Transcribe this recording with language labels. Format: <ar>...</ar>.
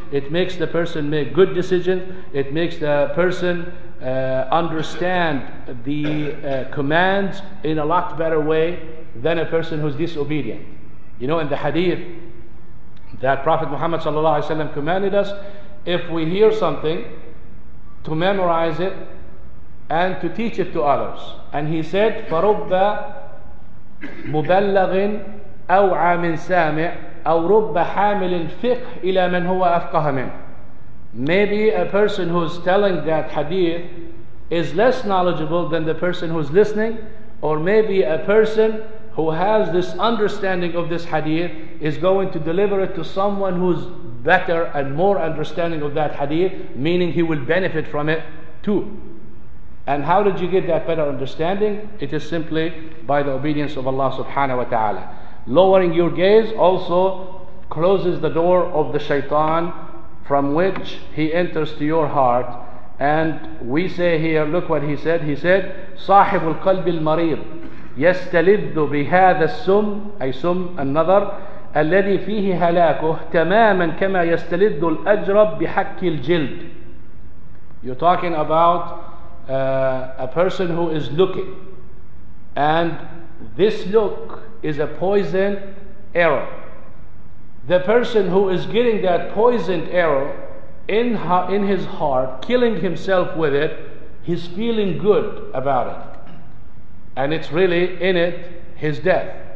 <en>It makes the person make good decisions. It makes the person understand the commands in a lot better way than a person who's disobedient. You know, in the hadith that Prophet Muhammad sallallahu alaihi wasallam commanded us, if we hear something, to memorize it and to teach it to others. And he said,</en> <ar>فَرُبَّ مُبَلَّغٍ أَوْعَى مِنْ سَامِعٍ أَوْ رُبَّ حَامِلٍ فِقْهٍ إِلَى مَنْ هُوَ أَفْقَهَ مِنْ.</ar> <en>Maybe a person who's telling that hadith is less knowledgeable than the person who's listening, or maybe a person who has this understanding of this hadith is going to deliver it to someone who's better and more understanding of that hadith, meaning he will benefit from it too. And how did you get that better understanding? It is simply by the obedience of Allah subhanahu wa ta'ala. Lowering your gaze also closes the door of the shaitan from which he enters to your heart. And we say here, look what he said. He said,</en> <ar>صاحب القلب المريض يستلذ بهذا السم, أي سم النظر, الذي فيه هلاكه تماما كما يستلذ الأجرب بحك الجلد.</ar> <en>You're talking about a person who is looking, and this look is a poison arrow. The person who is getting that poisoned arrow in his heart, killing himself with it, he's feeling good about it, and it's really in it his death.</en>